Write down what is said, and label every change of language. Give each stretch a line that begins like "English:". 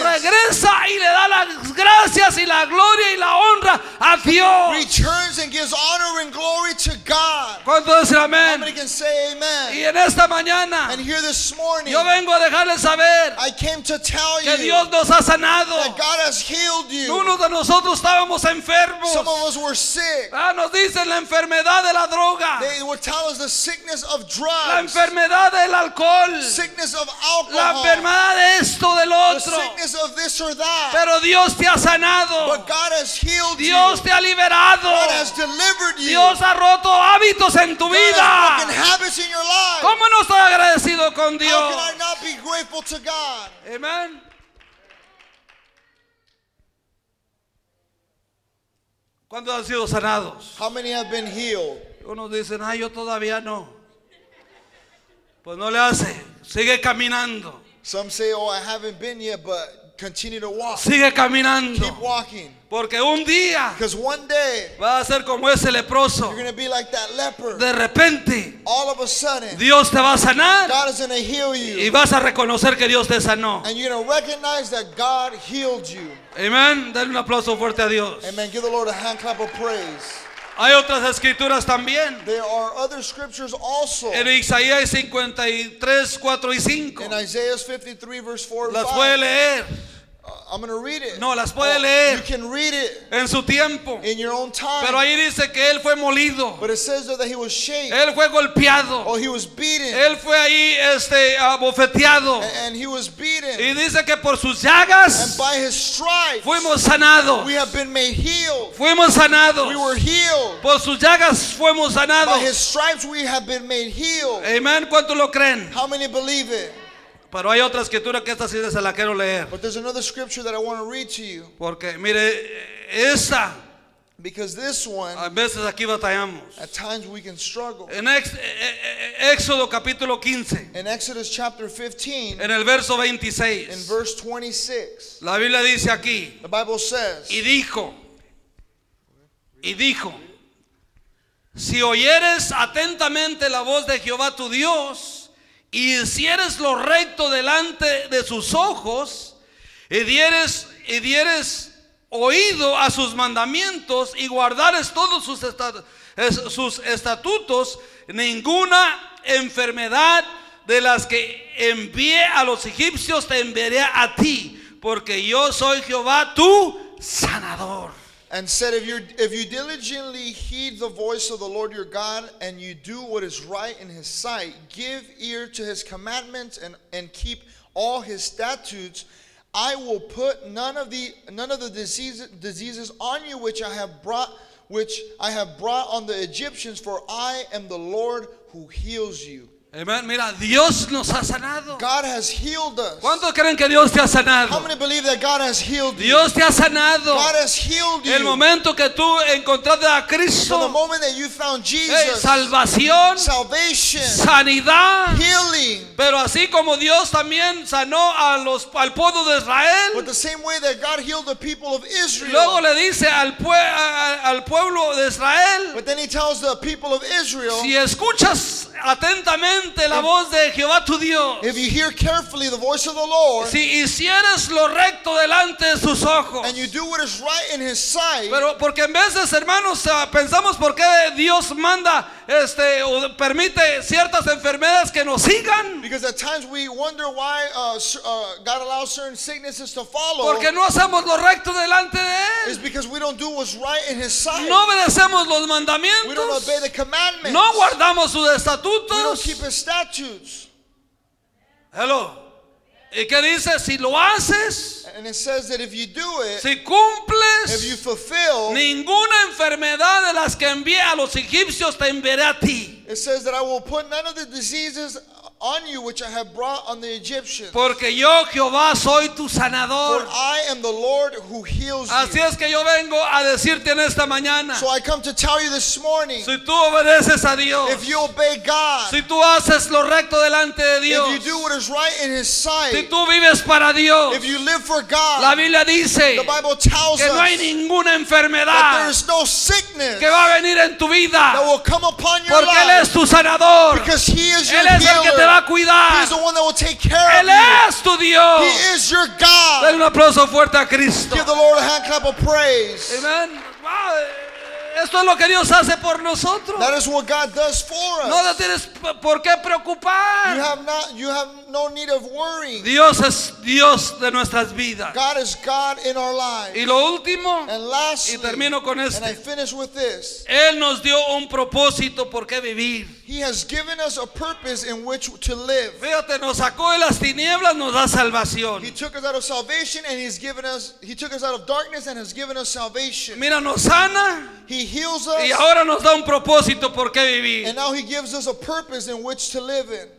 Spanish: regresa y le da las gracias y la gloria y la honra a Dios.
English: Returns and gives honor and glory to God.
Spanish: ¿Cuánto dice amén?
English: Nobody can say amen.
Spanish: Y en esta mañana,
English: and here this morning,
Spanish: yo vengo a dejarles saber,
English: I came to tell
Spanish: que Dios nos ha sanado,
English: that God has healed you.
Spanish: Unos de nosotros estábamos enfermos.
English: Some of us were sick.
Spanish: Ah, nos dicen la enfermedad de la droga.
English: They will tell us the sickness of drugs,
Spanish: la enfermedad del alcohol,
English: sickness of alcohol,
Spanish: la enfermedad de esto del otro,
English: the sickness of this or that.
Spanish: Pero Dios te ha sanado.
English: But God has healed
Spanish: Dios
English: you.
Spanish: Te ha liberado.
English: God has delivered you.
Spanish: Dios ha roto hábitos en tu
English: God
Spanish: vida.
English: Has broken habits in your life.
Spanish: ¿Cómo no estoy agradecido con Dios?
English: How can I not be grateful to God? Amen.
Spanish: ¿Cuándo han sido sanados?
English: How many have been healed?
Spanish: Unos dicen, ay, yo todavía no. Pues no le hace, sigue caminando.
English: Some say, oh, I haven't been yet, but continue to walk.
Spanish: Sigue caminando.
English: Keep walking.
Spanish: Porque un día,
English: because one day,
Spanish: va a ser como ese leproso.
English: You're going to be like that leper.
Spanish: De repente,
English: all of a sudden,
Spanish: Dios te va a sanar.
English: God is going to heal you.
Spanish: Y vas a reconocer que Dios te sanó.
English: And you're going to recognize that God healed you.
Spanish: Amen. Dale un aplauso fuerte a Dios.
English: Amen. Give the Lord a hand clap of praise.
Spanish: Hay otras escrituras también.
English: There are other scriptures also.
Spanish: En Isaías 53, 4 y 5.
English: In Isaiah 53, verse 4
Spanish: las puede Leer.
English: I'm going to read it.
Spanish: No, las puede leer.
English: You can read it.
Spanish: En su tiempo.
English: In your own time.
Spanish: Pero ahí dice que él fue molido.
English: But it says that he was shaped.
Spanish: Él fue golpeado.
English: Or he was beaten.
Spanish: Él fue ahí abofeteado.
English: And he was beaten.
Spanish: Y dice que por sus llagas.
English: And by his stripes.
Spanish: Fuimos sanados.
English: We have been made healed.
Spanish: Fuimos sanados.
English: We were healed.
Spanish: Por sus llagas fuimos sanados.
English: By his stripes we have been made healed.
Spanish: Amen. ¿Cuántos lo creen?
English: How many believe it?
Spanish: Pero hay otra escritura que esta sí se la quiero leer.
English: But there's another scripture that I want to read to you.
Spanish: Porque mire, esa.
English: Because this one.
Spanish: A veces aquí batallamos.
English: At times we can struggle.
Spanish: En Éxodo capítulo 15.
English: In Exodus chapter 15.
Spanish: En el verso 26.
English: In verse 26.
Spanish: La Biblia dice aquí.
English: The Bible says.
Spanish: Y dijo. Si oyeres atentamente la voz de Jehová tu Dios. Y si eres lo recto delante de sus ojos, y dieres oído a sus mandamientos, y guardares todos sus estatutos, ninguna enfermedad de las que envié a los egipcios te enviaré a ti, porque yo soy Jehová tu sanador.
English: And said, if you diligently heed the voice of the Lord your God, and you do what is right in his sight, give ear to his commandments and keep all his statutes, I will put none of the diseases on you which I have brought on the Egyptians, for I am the Lord who heals you.
Spanish: Amen. Mira, Dios nos ha sanado.
English: God has healed us.
Spanish: ¿Cuántos creen que Dios te ha sanado?
English: How many believe that God has healed you?
Spanish: Dios te ha sanado.
English: God has healed you.
Spanish: El momento que tú encontraste a Cristo.
English: From the moment that you found Jesus.
Spanish: Hey, salvación.
English: Salvation.
Spanish: Sanidad.
English: Healing.
Spanish: Pero así como Dios también sanó al pueblo de Israel.
English: But the same way that God healed the people of Israel.
Spanish: Luego le dice al pueblo de Israel.
English: But then he tells the people of Israel.
Spanish: Si escuchas atentamente la voz de Jehová tu Dios.
English: If you hear carefully the voice of the Lord.
Spanish: Si hicieres lo recto delante de sus ojos.
English: And you do what is right in his sight.
Spanish: Pero porque en veces, hermanos, pensamos por qué Dios manda o permite ciertas enfermedades que nos sigan.
English: Because at times we wonder why God allows certain sicknesses to follow.
Spanish: Porque no hacemos lo recto delante de él.
English: It's because we don't do what's right in his sight.
Spanish: No obedecemos los mandamientos.
English: We don't obey the commandments.
Spanish: No guardamos sus estatutos.
English: Keep his statutes.
Spanish: Hello. ¿Y qué dice? Si lo haces,
English: and it says that if you do it,
Spanish: si cumples,
English: if you fulfill,
Spanish: ninguna enfermedad de las que envié a los egipcios te enviaré a ti.
English: It says that I will put none of the diseases on you which I have brought on the Egyptians.
Spanish: Porque yo, Jehová, soy tu sanador.
English: For I am the Lord who heals you.
Spanish: Así es que yo vengo a decirte en esta mañana.
English: So I come to tell you this morning.
Spanish: Si tú obedeces a Dios.
English: If you obey God.
Spanish: Si tú haces lo recto delante de Dios.
English: If you do what is right in his sight.
Spanish: Si tú vives para Dios.
English: If you live for God.
Spanish: La Biblia dice.
English: The Bible tells us.
Spanish: Que no hay ninguna enfermedad.
English: That there is no sickness.
Spanish: Que va a venir en tu vida.
English: That will come upon your
Spanish: porque Porque él es tu sanador.
English: Because he is
Spanish: él
English: your healer.
Spanish: Él es el que te va a cuidar.
English: He is the one that will take care
Spanish: él
English: of you.
Spanish: Él es tu Dios.
English: He is your God.
Spanish: Dale un aplauso fuerte a Cristo.
English: Give the Lord a hand clap of praise. Amen. Wow.
Spanish: Esto es lo que Dios hace por nosotros.
English: That is what God does for us.
Spanish: No te tienes por qué preocupar.
English: You have no need of worry.
Spanish: Dios es Dios de nuestras vidas.
English: God is God in our lives.
Spanish: Y lo último.
English: And lastly,
Spanish: y termino con
English: and I finish with this.
Spanish: Él nos dio un propósito por qué vivir.
English: He has given us a purpose in which to live.
Spanish: Fíjate, nos sacó de las tinieblas, nos da salvación.
English: He took us out of salvation and he's given us. He took us out of darkness and has given us salvation.
Spanish: Mira, nos sana.
English: He heals us.
Spanish: Y ahora nos da un propósito por qué vivir.
English: And now he gives us a purpose in which to live in.